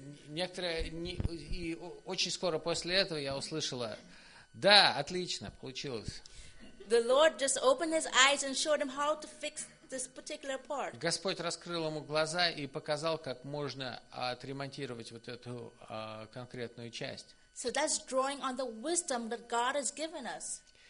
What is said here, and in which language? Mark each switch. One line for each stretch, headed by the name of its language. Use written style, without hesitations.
Russian: И очень скоро после этого я услышала, да, отлично, получилось.
English: The Lord just opened his eyes and showed him how to fix this particular part.
Russian: Господь раскрыл ему глаза и показал, как можно отремонтировать вот эту конкретную часть.
English: So that's drawing on the wisdom that God has given us.